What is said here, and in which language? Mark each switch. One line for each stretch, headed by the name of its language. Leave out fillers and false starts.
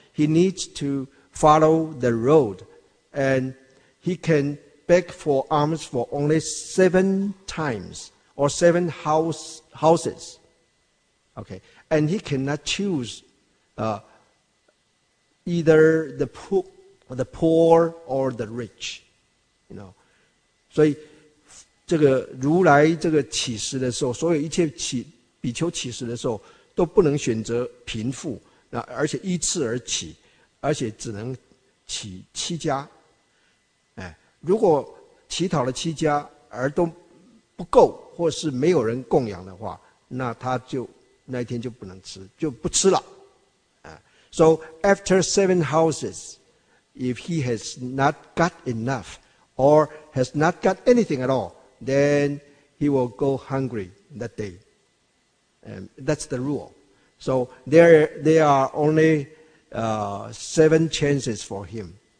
English: He needs to follow the road, and he can beg for alms for only 7 times or 7 houses. Okay. And he cannot choose either the poor or the rich, you know. So
Chinese: 这个如来这个启示的时候，所有一切起比丘起始的时候都不能选择贫富，而且依次而起，而且只能起七家。如果乞讨了七家而都不够或是没有人供养的话，那他就那天就不能吃，就不吃了。
English: So after seven houses, if he has not got enough or has not got anything at all, then he will go hungry that day. That's the rule. So there are only seven chances for him.